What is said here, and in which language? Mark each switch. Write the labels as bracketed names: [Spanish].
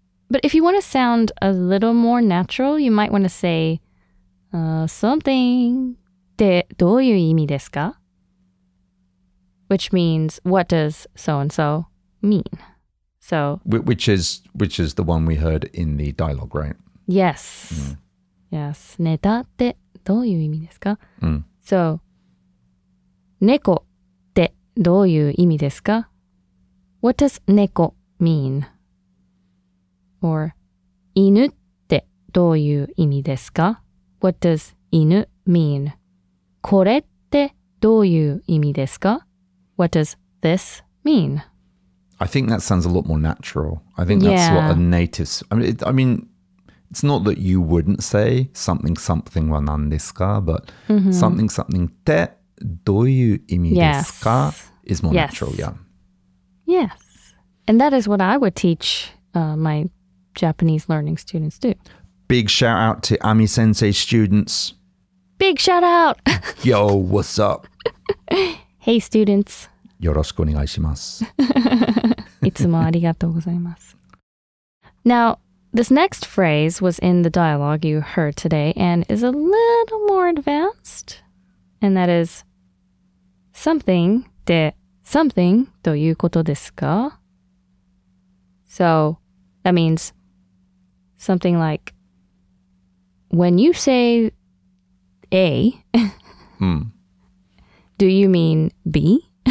[English] But if you want to sound a little more natural, you might want to say something de do you [Japanese] imi desu ka? [English] Which means what does so and so mean? So which is the one we heard in the dialogue, right? Yes. Yes. [Japanese] ネタってどういう意味ですか?So 猫ってどういう意味ですか? [English] What does 猫 mean? [Japanese] Or 犬ってどういう意味ですか? [English] What does 犬 mean? [Japanese] これってどういう意味ですか? [English] What does this mean? I think that sounds a lot more natural. I think that's what a native... I mean, it's not that you wouldn't say something something [Japanese] wa nan desu ka, [English] but something something [Japanese] te doyu imi desu ka [English] is more natural, yeah. Yes. And that is what I would teach my Japanese learning students too. Big shout out to Ami-sensei students. Big shout out! Yo, what's up? Hey, students. [Japanese] よろしくお願いします。いつもありがとうございます。 [English] Now, this next phrase was in the dialogue you heard today and is a little more advanced. And that is, something で something [Japanese] どういうことですか? [English] So, that means something like, when you say A, do you mean B?